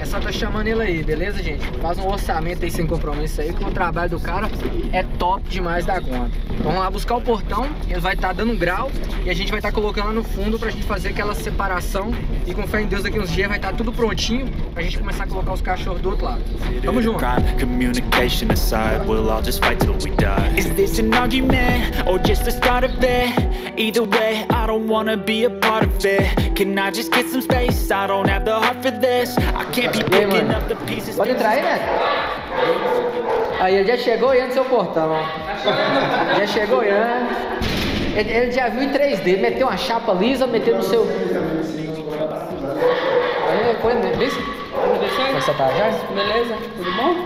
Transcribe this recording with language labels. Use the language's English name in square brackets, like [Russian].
[Portuguese] É só tá chamando ele aí, beleza, gente? Faz um orçamento aí sem compromisso aí, que o trabalho do cara é top demais da conta. Vamos lá buscar o portão, ele vai estar dando grau e a gente vai estar colocando lá no fundo pra gente fazer aquela separação. E com fé em Deus, daqui uns dias vai estar tudo prontinho pra gente começar a colocar os cachorros do outro lado. Tamo junto. [English] Crime, communication aside, we'll all just fight till we die. Is this an argument or just the start of it? Either way, I don't wanna be a part of it. Can I just get some space? I don't have the heart for this. I can't be picking up the pieces. [Portuguese] Pode entrar aí, né? Aí ele já chegou olhando seu portão, ó. Já chegou olhando. Ele já viu em 3D, meteu uma chapa lisa, meteu no seu. Aí, foi, né? Como você tá, já? Beleza, tudo bom?